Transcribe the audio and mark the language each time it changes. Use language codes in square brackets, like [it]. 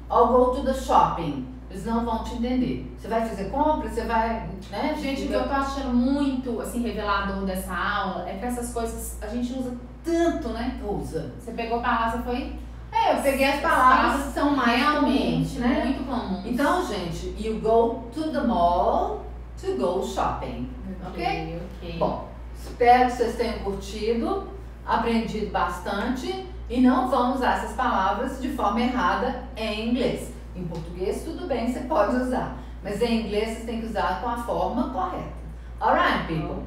[en] I'll go to the shopping. [pt] Eles não vão te entender. Você vai fazer compras, você vai... Né? Gente, o que eu tô achando muito assim, revelador dessa aula é que essas coisas a gente usa... Tanto, né? Usa. Você pegou a palavra, você foi... É, eu peguei as palavras que são mais realmente, comuns, né? Muito comuns. Então, gente, [en] you go to the mall to go shopping. Ok? Ok. [pt] Bom, espero que vocês tenham curtido, aprendido bastante e não vão usar essas palavras de forma errada em inglês. Em português, tudo bem, você pode usar. Mas em inglês, você tem que usar com a forma correta. [en] Alright, people.